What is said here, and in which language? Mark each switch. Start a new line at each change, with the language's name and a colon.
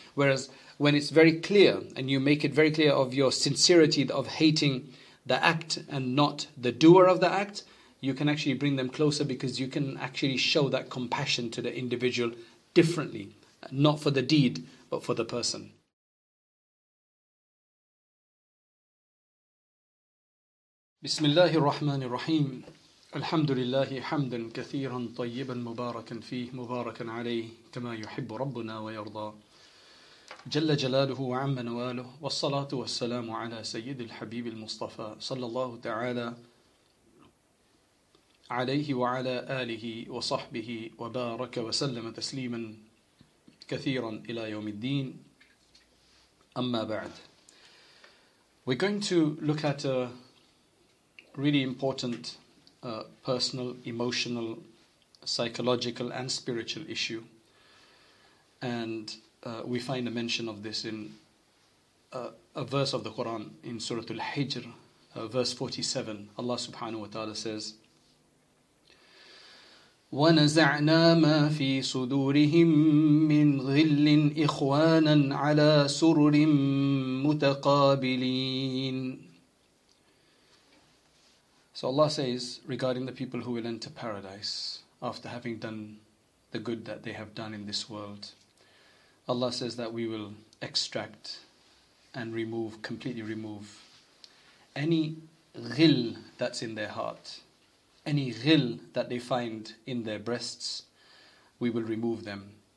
English: Whereas when it's very clear, and you make it very clear of your sincerity of hating the act and not the doer of the act, you can actually bring them closer because you can actually show that compassion to the individual differently, not for the deed, but for the person.
Arabic: بسم الله الرحمن الرحيم الحمد لله حمدا كثيرا طيبا مباركا فيه مباركا عليه كما يحب ربنا ويرضى جل جلاله وعم نواله والصلاة والسلام على سيد الحبيب المصطفى صلى الله تعالى عليه وعلى آله وصحبه وبارك وسلم تسليما كثيرا إلى يوم الدين أما بعد.
English: We're going to look at a really important personal, emotional, psychological and spiritual issue. And we find a mention of this in a verse of the Quran in Surah Al-Hijr, verse 47.
Arabic: Allah subhanahu wa ta'ala
English: says,
Arabic: وَنَزَعْنَا مَا فِي صُدُورِهِمْ مِنْ غِلٍّ إِخْوَانًا عَلَى سُرُرٍ مُتَقَابِلِينَ.
English: So Allah says, regarding the people who will enter paradise after having done the good that they have done in this world, Allah says that we will extract and remove, completely remove, any ghil that's in their heart, any ghil that they find in their breasts, we will remove them.